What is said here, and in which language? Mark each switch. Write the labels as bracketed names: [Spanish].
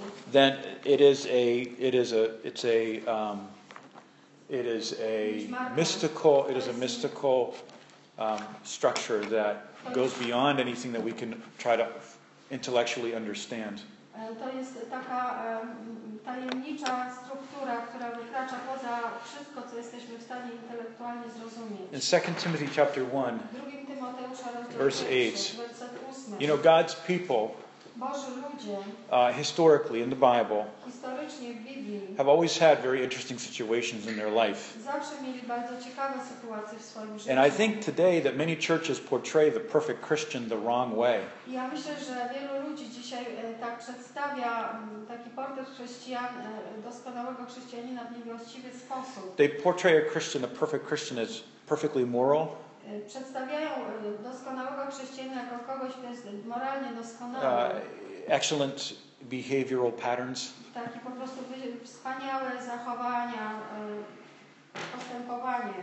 [English] Then it is a mystical structure that goes beyond anything that we can try to intellectually understand. [Polish] To jest taka tajemnicza struktura, która wykracza poza wszystko, co jesteśmy w stanie intelektualnie zrozumieć. [English] In 2 Timothy chapter 1, verse 8, you know, God's people, [Polish] Boży ludzie, [English] historically in the Bible, [Polish] historycznie w Biblii, [English] have always had very interesting situations in their life. [Polish] Zawsze mieli bardzo ciekawe sytuacje w swoim życiu. [English] And I think today that many churches portray the perfect Christian the wrong way. [Polish] Ja myślę, że wielu ludzi dzisiaj tak przedstawia taki portret chrześcijan, doskonałego chrześcijanina w niewłaściwy sposób. [English] They portray a Christian, a perfect Christian, as perfectly moral. [Polish] Przedstawiają doskonałego chrześcijanina jako kogoś, kto jest moralnie doskonały. [English] Excellent behavioral patterns. [Polish] Takie po prostu wspaniałe zachowania, postępowanie.